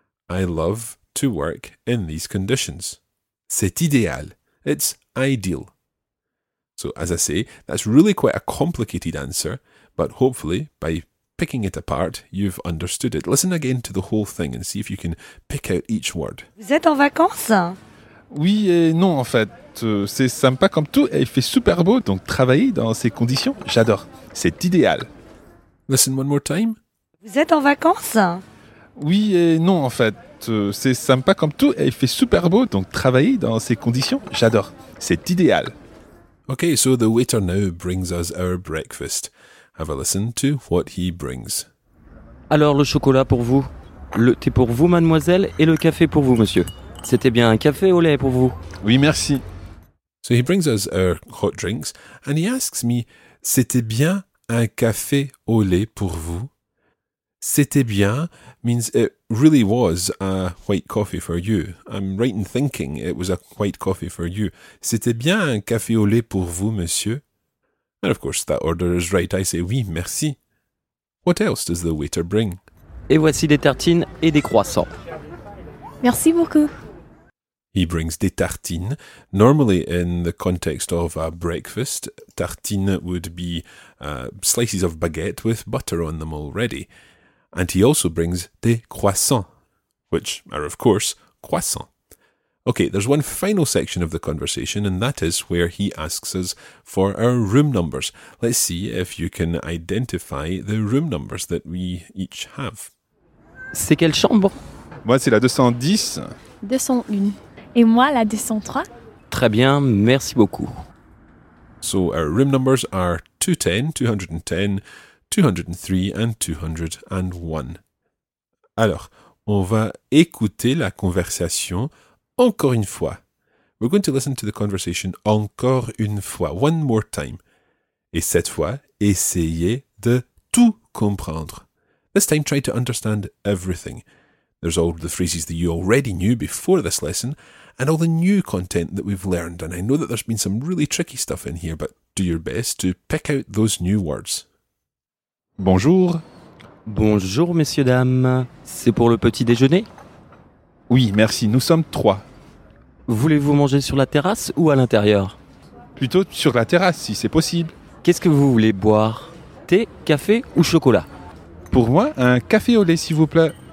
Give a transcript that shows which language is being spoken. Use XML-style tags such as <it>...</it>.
<en>I love to work in these conditions.</en> <fr>C'est idéal.</fr> <en>It's ideal. So, as I say, that's really quite a complicated answer, but hopefully, by picking it apart, you've understood it. Listen again to the whole thing and see if you can pick out each word.</en> <fr>Vous êtes en vacances? Oui et non, en fait. C'est sympa comme tout et il fait super beau, donc travailler dans ces conditions, j'adore. C'est idéal. Listen one more time. Vous êtes en vacances? Oui et non, en fait. C'est sympa comme tout et il fait super beau, donc travailler dans ces conditions, j'adore. C'est idéal.</fr> <en>Ok, so the waiter now brings us our breakfast. Have a listen to what he brings.</en> <fr>Alors, le chocolat pour vous? Le thé pour vous, mademoiselle, et le café pour vous, monsieur? C'était bien un café au lait pour vous? Oui, merci.</fr> <en>So he brings us our hot drinks and he asks me,</en> <fr>c'était bien un café au lait pour vous? C'était bien</fr> <en>means it really was a white coffee for you. I'm right in thinking it was a white coffee for you.</en> <fr>C'était bien un café au lait pour vous, monsieur?</fr> <en>And of course, that order is right. I say,</en> <fr>oui, merci.</fr> <en>What else does the waiter bring?</en> <fr>Et voici des tartines et des croissants. Merci beaucoup.</fr> <en>He brings des tartines. Normally, in the context of a breakfast, tartines would be slices of baguette with butter on them already. And he also brings des croissants, which are, of course, croissants. Okay, there's one final section of the conversation, and that is where he asks us for our room numbers. Let's see if you can identify the room numbers that we each have.</en> <fr>C'est quelle chambre? Moi, c'est la 210. 201. Et moi, la 203. Très bien, merci beaucoup.</fr> <en>So, our room numbers are 210, 210, 203 and 201.</en> <fr>Alors, on va écouter la conversation encore une fois.</fr> <en>We're going to listen to the conversation</en> <fr>encore une fois,</fr> <en>one more time.</en> <fr>Et cette fois, essayez de tout comprendre.</fr> <en>This time, try to understand everything. There's all the phrases that you already knew before this lesson and all the new content that we've learned. And I know that there's been some really tricky stuff in here, but do your best to pick out those new words.</en> <fr>Bonjour. Bonjour, messieurs, dames. C'est pour le petit déjeuner? Oui, merci. Nous sommes trois. Voulez-vous manger sur la terrasse ou à l'intérieur? Plutôt sur la terrasse, si c'est possible. Qu'est-ce que vous voulez boire? Thé, café ou chocolat? Pour moi, un café au lait, s'il vous plaît.</fr>